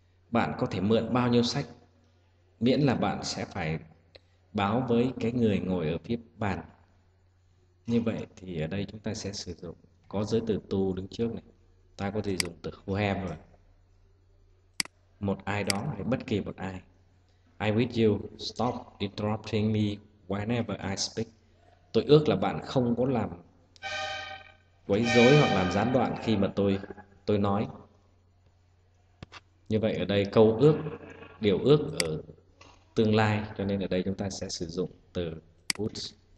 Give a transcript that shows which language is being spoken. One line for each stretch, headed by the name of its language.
Vietnamese: Bạn có thể mượn bao nhiêu sách, miễn là bạn sẽ phải báo với cái người ngồi ở phía bàn. Như vậy thì ở đây chúng ta sẽ sử dụng có giới từ to đứng trước này. Ta có thể dùng từ whoever, rồi một ai đó hay bất kỳ một ai.
English: I wish you stop interrupting me whenever I speak.
Vietnamese: Tôi ước là bạn không có làm quấy rối hoặc làm gián đoạn khi mà tôi nói. Như vậy ở đây câu ước, điều ước ở tương lai, cho nên ở đây chúng ta sẽ sử dụng từ would.